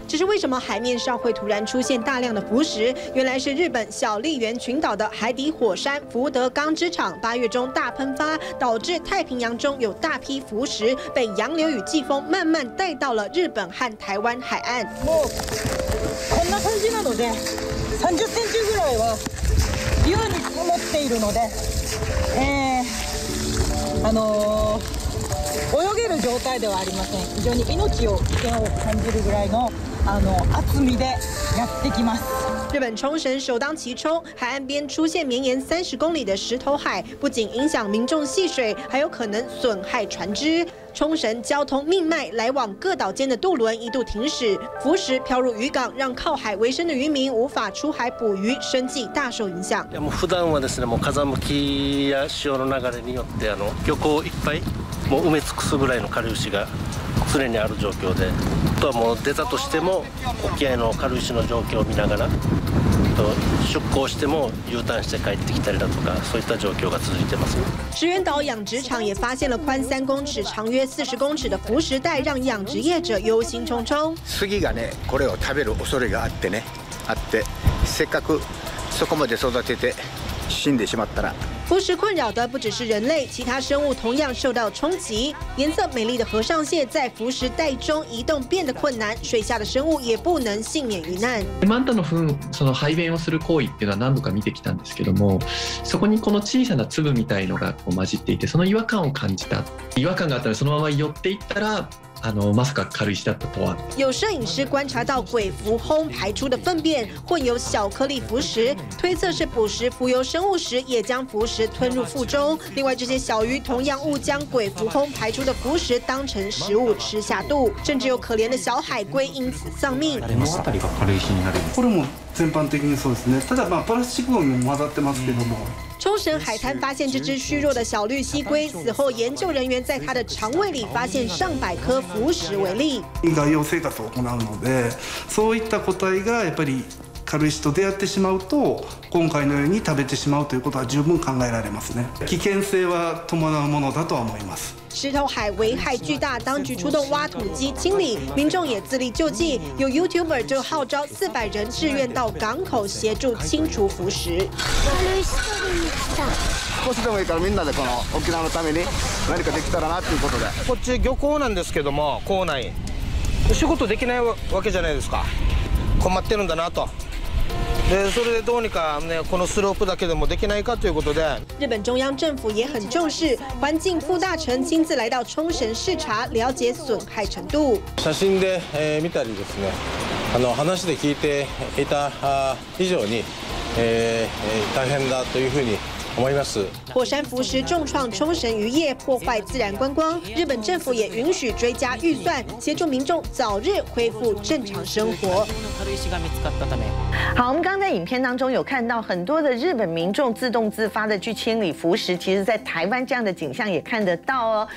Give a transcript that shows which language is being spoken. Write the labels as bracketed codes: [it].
[zh] 只是为什么海面上会突然出现大量的浮石？原来是日本小笠原群岛的海底火山福德钢之厂8月中大喷发，导致太平洋中有大批浮石被洋流与季风慢慢带到了日本和台湾海岸。 [ja] こんな感じなので、30cmぐらいは優に積もっているので、泳げる状態ではありません。非常に命を危険を感じるぐらいの厚みでやってきます。 [zh] 日本冲绳首当其冲，海岸边出现绵延30公里的石头海，不仅影响民众戏水，还有可能损害船只。冲绳交通命脉来往各岛间的渡轮一度停驶，浮石飘入渔港，让靠海为生的渔民无法出海捕鱼，生计大受影响。 [ja] もう普段はですね、もう風向きや潮の流れによって漁港いっぱいもう埋め尽くすぐらいの軽石が常にある状況で、あとはもう出たとしても沖合の軽石の状況を見ながら。出港しても U ターンして帰ってきたりだとか、そういった状況が続いてます。 [zh] 石垣岛养殖场也发现了宽3公尺、长约40公尺的浮石带，让养殖业者忧心忡忡。 [ja] 杉がね、これを食べる恐れがあってね、あって、せっかくそこまで育てて死んでしまったら。 [zh] 浮石困扰的不只是人类，其他生物同样受到冲击。颜色美丽的河上蟹在浮石带中移动变得困难，水下的生物也不能幸免于难。 [ja] マンタの糞、その排便をする行為っていうのは何度か見てきたんですけども、そこにこの小さな粒みたいのがこう混じっていて、その違和感を感じた。違和感があったらそのまま寄っていったら。まさか軽石だったとは。 [zh] 有摄影师观察到鬼蝠轰排出的粪便混有小颗粒浮石，推测是捕食浮游生物时也将浮石吞入腹中。另外，这些小鱼同样误将鬼蝠轰排出的浮石当成食物吃下肚，甚至有可怜的小海龟因此丧命。 [ja] これも全般的にそうですね。ただまあプラスチックも混ざってますけども。 [zh] 冲绳海滩发现这只虚弱的小绿蜥龟，死后研究人员在它的肠胃里发现上百颗浮石为例。 [ja] 外洋生活を行うので、そういった個体がやっぱり軽石と出会ってしまうと今回のように食べてしまうということは十分考えられますね。危険性は伴うものだとは思います。 [zh] 石头海危害巨大，当局出动挖土机清理，民众也自力救济。有 YouTuber 就号召400人志愿到港口协助清除浮石。 [ja] 少しでもいいからみんなでこの沖縄のために何かできたらなということで。こっち漁港なんですけども、港内お仕事できないわけじゃないですか。困ってるんだなと。でそれでどうにか、ね、このスロープだけでもできないかということで。 [zh] 日本中央政府也很重视，环境副大臣亲自来到冲绳视察，了解损害程度。 [ja] 写真で、見たりですね、話で聞いていた以上に、大変だというふうに。 [zh] 火山浮石重创冲绳渔业，破坏自然观光。日本政府也允许追加预算，协助民众早日恢复正常生活。好，我们刚在影片当中有看到很多的日本民众自动自发的去清理浮石，其实在台湾这样的景象也看得到哦。